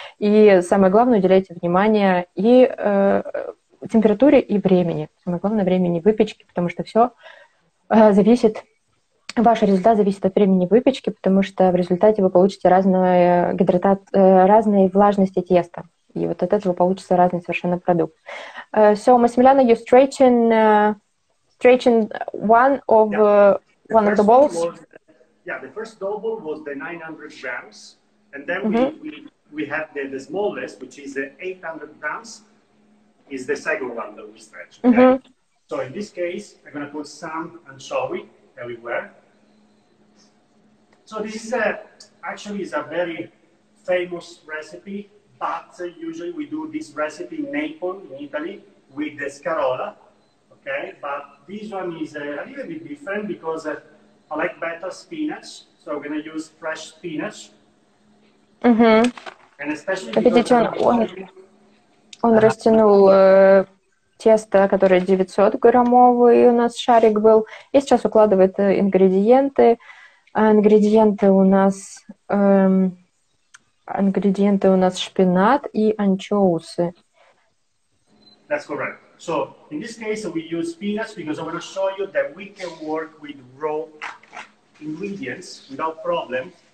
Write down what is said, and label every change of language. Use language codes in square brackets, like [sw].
[ru] И самое главное, уделяйте внимание и температуре, и времени. Самое главное, времени выпечки, потому что все зависит, ваш результат зависит от времени выпечки, потому что в результате вы получите разные влажности теста. И вот от этого получится разный совершенно продукт. [en] So, Massimiliano, you stretching one of the balls. The first double was the 900 grams, and then we have the smallest, which is the 800 grams, is the second one that we stretch. Okay? Mm-hmm. So in this case, I'm going to put some anchovy everywhere. So this is actually a very famous recipe. But usually we do this recipe in Naples, in Italy, with the scarola, okay? But this one is a little bit different because I like better spinach, so I'm going to use fresh spinach. Mm-hmm. And especially because... [ru] Он растянул тесто, которое 900-граммовый у нас шарик был, и сейчас укладывает ингредиенты. Ингредиенты у нас шпинат и анчоусы. [en] That's correct. So, in this case, we use spinach because I want to show you that we can work with raw ingredients without problem.